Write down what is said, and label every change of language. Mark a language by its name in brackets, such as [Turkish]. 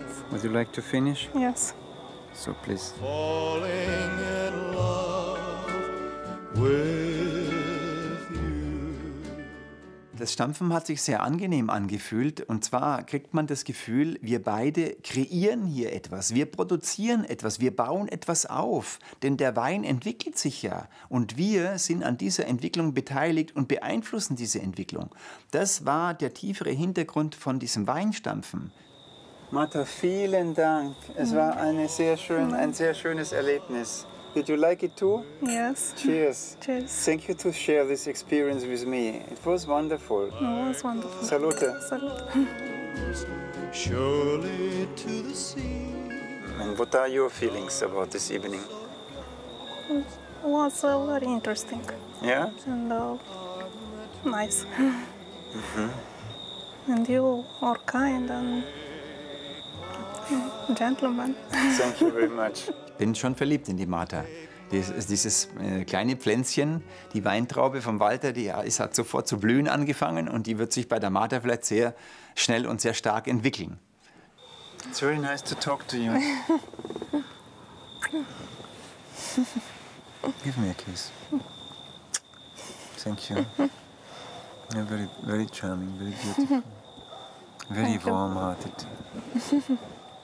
[English] Would you like to finish? Yes. So please. Falling in love with you. [German] Das Stampfen hat sich sehr angenehm angefühlt. Und zwar kriegt man das Gefühl, wir beide kreieren hier etwas. Wir produzieren etwas. Wir bauen etwas auf. Denn der Wein entwickelt sich ja. Und wir sind an dieser Entwicklung beteiligt und beeinflussen diese Entwicklung. Das war der tiefere Hintergrund von diesem Weinstampfen. Martha, vielen Dank. Es war ein sehr schönes Erlebnis. [English] Did you like it too? Yes. Cheers. Cheers. Thank you to share this experience with me. It was wonderful. It was wonderful. Salute. Salute. Surely to the sea. And what are your feelings about this evening? It was very interesting. Yeah? And nice. Mm-hmm. And you are kind and Gentleman. Thank you very much. [German] Ich bin schon verliebt in die Martha. Dieses kleine Pflänzchen, die Weintraube von Walter, die es hat sofort zu blühen angefangen und die wird sich bei der Martha vielleicht sehr schnell und sehr stark entwickeln. [English] It's very nice to talk to you. Give me a kiss. Thank you. You're very, very charming, very beautiful. Very warm-hearted.